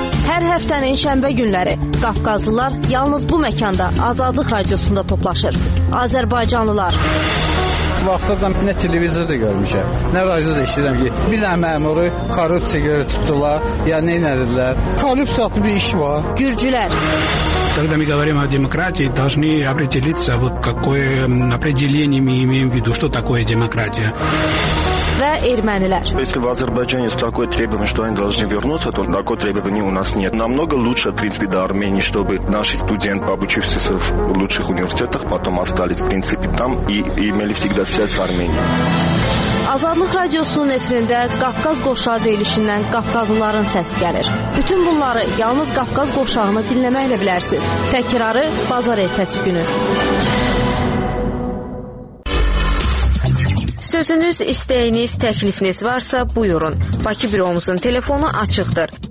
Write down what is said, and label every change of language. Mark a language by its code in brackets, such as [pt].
[az] Hər həftənin şənbə günləri Qafqazlılar yalnız bu məkanda Azadlıq Radiosunda toplaşır. Azərbaycanlılar. Vaxtacam nə televizorda görmüşəm, nə radioda işləyirəm ki, bir dənə məmuru korrupsiya görə tutdular, ya nə elədilər? Korrupsiya adlı bir iş var. Gürcülər. [ru] Когда мы говорим о демократии, должны определиться, вот какое определение мы имеем в виду, что такое демократия. [az] Və ermənilər. [ru] Если в Азербайджане есть такое требование, что они должны вернуться, то такое требование у нас нет. Намного лучше, в принципе, до Армении, чтобы наши студенты, обучившиеся в лучших университетах, потом остались, в принципе, там и имели всегда связь с Арменией. [az] Azadlıq Radiosunun efirində Qafqaz Qovşağı deyilişindən Qafqazlıların səsi gəlir. Bütün bunları yalnız Qafqaz Qovşağını dinləməklə bilərsiniz. Təkrarı bazar ertəsi günü. Sözünüz, istəyiniz, təklifiniz varsa buyurun. Bakı büromuzun telefonu açıqdır.